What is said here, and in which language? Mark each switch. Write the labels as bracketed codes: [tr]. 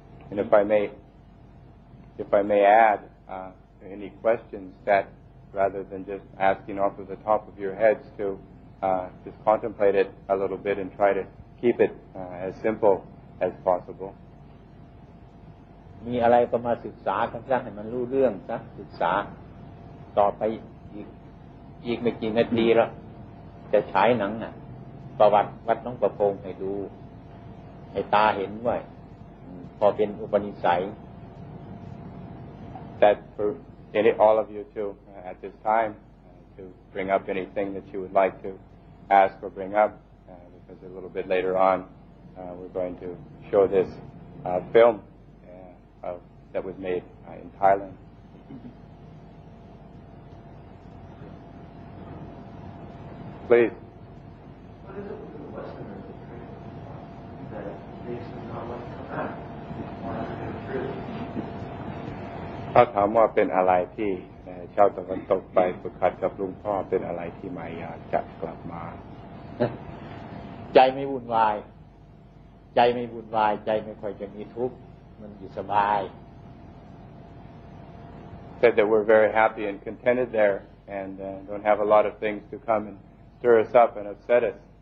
[en] And if I may add any questions that, rather than just asking off of the top of your heads, to just contemplate it a little bit and try to keep it as simple as possible. [th] มีอะไรก็มาศึกษากันซะให้มันรู้เรื่องซะศึกษาต่อไปอีกไม่กี่นาทีแล้วจะใช้หนังน่ะประวัติวัดน้องประโพงให้ดูให้ตาเห็นไว้พอเป็นอุปนิสัย [en] That for any all of you to at this time to bring up anything that you would like to ask or bring up because a little bit later on we're going to show this filmThat was made in Thailand. Please. What is it with the Westerners that they seem not like to act? Want to get rid of them? [th] ถ้าถามว่าเป็นอะไรที่ชาวตะวันตกไปฝึกขัดกับลุงพ่อเป็นอะไรที่ไม่อยากจะกลับมา ใจไม่วุ่นวายใจไม่วุ่นวายใจไม่ค่อยจะมีทุกข์มันอยู่สบาย [en] Said that we're very happy and contented there and don't have a lot of things to come and stir us up and upset us